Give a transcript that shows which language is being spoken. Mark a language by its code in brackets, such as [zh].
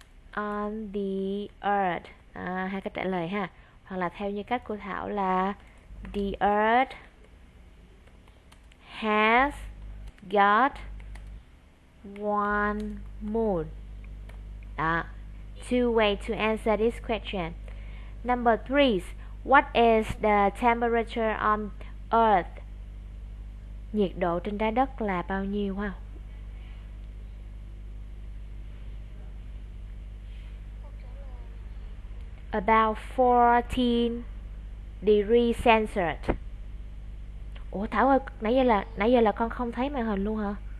[en] On the earth. [vi] À, hai cách trả lời ha. Hoặc là theo như cách của Thảo là [en] the earth has got one moon. Đó. Two way to answer this question. Number three, what is the temperature on earth? [vi] Nhiệt độ trên trái đất là bao nhiêu không? [en] About 14 degree censored. [vi] Ủa Thảo ơi, nãy giờ là con không thấy màn hình luôn hả?